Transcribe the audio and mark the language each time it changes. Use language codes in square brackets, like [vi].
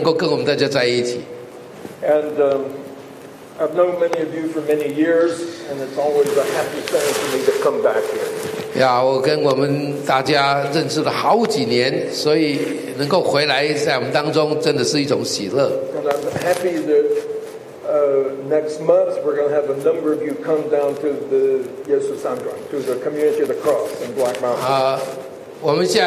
[zh] 哇，很快乐能够跟我们大家在一起。And [en] I've known many of you for many years, and it's always a happy thing for me to come back here. [zh] Yeah, 我跟我们大家认识了好几年，所以能够回来在我们当中，真的是一种喜乐。 [en] And I'm happy that next month we're going to have a number of you come down to the Yesusandra, to the community of the cross in Black Mountain.